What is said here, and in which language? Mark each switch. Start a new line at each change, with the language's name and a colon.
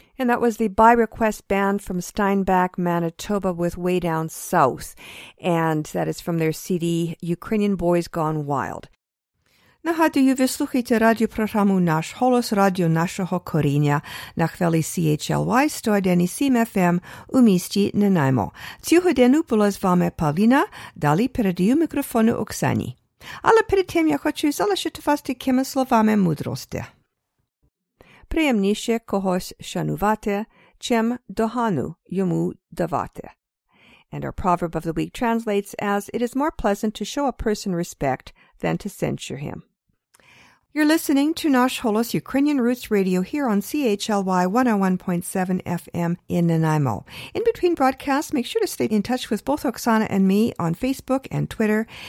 English: That was the By Request Band from Steinbach, Manitoba, with Way Down South. And that is from their CD, Ukrainian Boys Gone Wild.
Ukrainian: Нагадую, ви слухаєте радіопрограму «Наш голос», радіо нашого коріння на хвилі CHLY 101.7 FM у місті Нанаймо. Цю годину була з вами Павліна, далі передаю мікрофону Оксані. Але перед тим я хочу залишити вас такими словами мудрості. Приємніше когось шанувати, чим догану йому давати.
English: And our proverb of the week translates as, it is more pleasant to show a person respect than to censure him. You're listening to Nash Holos Ukrainian Roots Radio here on CHLY 101.7 FM in Nanaimo. In between broadcasts, make sure to stay in touch with both Oksana and me on Facebook and Twitter.